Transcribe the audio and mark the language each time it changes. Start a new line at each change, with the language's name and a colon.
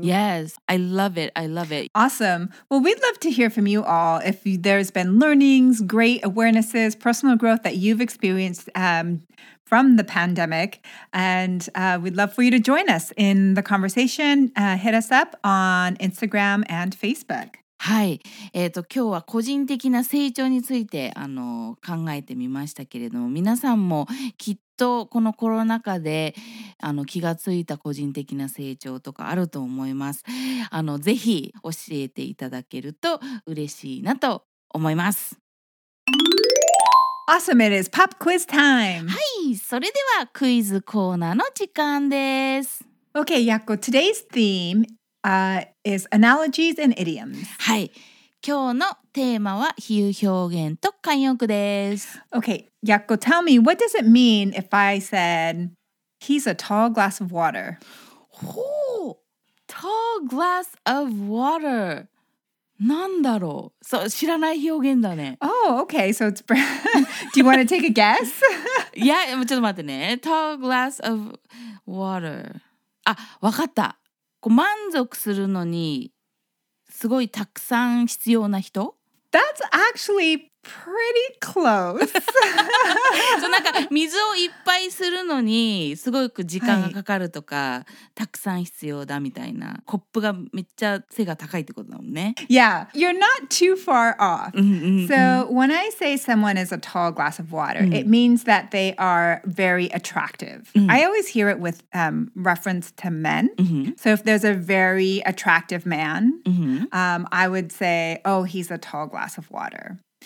English: Yes, I love it. I love it. Awesome. Well, we'd love to hear from you all if there's been learnings, great awarenesses, personal growth that you've experienced from the pandemic. And we'd love for you to join us in the conversation. Hit us up on Instagram and Facebook.
Japanese: はい、今日は個人的な成長について考えてみましたけれども、皆さんもきっとこのコロナ禍で気がついた個人的な成長とかあると思います。ぜひ教えていただけると嬉しいなと思います。
English: Awesome! It is pop quiz time!
Japanese: はい、それではクイズコーナーの時間です。
English: Okay, Yakko, today's theme is analogies and idioms.
Japanese: はい。今日のテーマは比喩表現と慣用句です。
English: Okay, Yakko, tell me, what does it mean if I said, he's a tall glass of water? ほう、tall glass of water.
Japanese: なんだろう。そう、知らない表現だね。
English: Oh, okay, so it's do you want to take a guess?
Japanese: Yeah, ちょっと待ってね。
English: tall glass of water.
Japanese: あ、わかった。満足するのにすごいたくさん必要な人？
English: That's actually pretty close.
Japanese: そう、なんか水をいっぱいするのにすごく時間がかかるとか、はい、たくさん必要だみたいな。コップがめっちゃ背が高いってことだもんね。
English: Yeah, you're not too far off. So when I say someone is a tall glass of water, it means that they are very attractive. I always hear it with reference to men. So if there's a very attractive man, I would say, oh, he's a tall glass of water.